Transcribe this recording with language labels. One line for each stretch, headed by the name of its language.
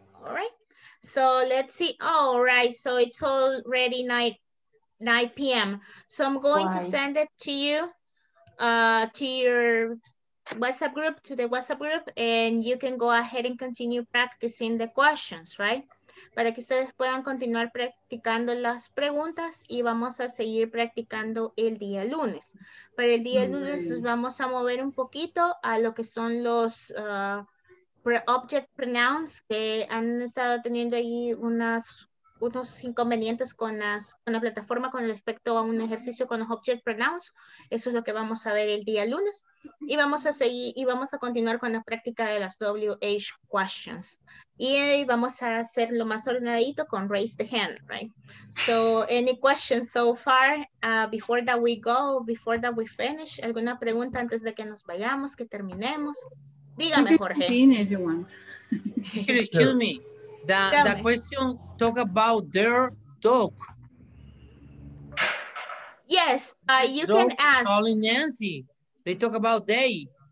English: All right, so let's see. All right, so it's already 9 p.m. So I'm going to send it to you, to your WhatsApp group, to the WhatsApp group, and you can go ahead and continue practicing the questions, right?
Spanish: Para que ustedes puedan continuar practicando las preguntas y vamos a seguir practicando el día lunes. Para el día lunes nos vamos a mover un poquito a lo que son los object pronouns que han estado teniendo ahí unos inconvenientes con la plataforma con respecto a un ejercicio con los object pronouns. Eso es lo que vamos a ver el día lunes. Y vamos a seguir y vamos a continuar con la práctica de las WH questions. Y vamos a hacerlo más ordenadito con
English: raise the hand, right? So, any questions so far before that we go, before that we finish?
Spanish: ¿Alguna pregunta antes de que nos vayamos, que terminemos? Dígame, Jorge.
English: Excuse me. The question talk about their dog. Yes, you can ask. Calling Nancy. They talk about they.